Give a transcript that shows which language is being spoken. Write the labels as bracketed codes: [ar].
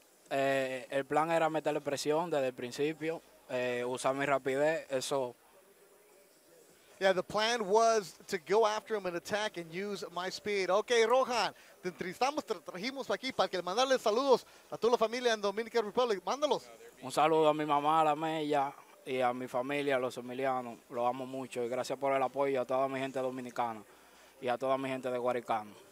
[es] El plan era meterle presión desde el principio, usar mi rapidez, eso. [en] Yeah, the plan was to go after him and attack and use my speed. [es] Okay, Rohan, te entrevistamos, te trajimos aquí para que mandarle saludos a toda la familia en Dominican Republic. Mándalos. Un saludo a mi mamá, a la mella, y a mi familia, a los emilianos. Lo amo mucho y gracias por el apoyo a toda mi gente dominicana y a toda mi gente de Guaricán.